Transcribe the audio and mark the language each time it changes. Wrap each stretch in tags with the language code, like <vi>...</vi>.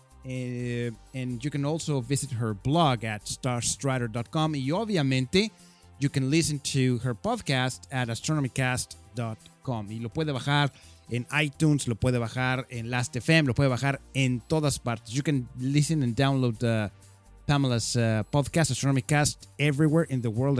<en>And you can also visit her blog @StarStrider.com.</en> <es>Y obviamente,</es> <en>you can listen to her podcast @AstronomyCast.com.</en> <es>Y lo puede bajar en iTunes, lo puede bajar en Last.fm, lo puede bajar en todas partes.</es> <en>You can listen and download Pamela's podcast, Astronomy Cast, everywhere in the world.</en>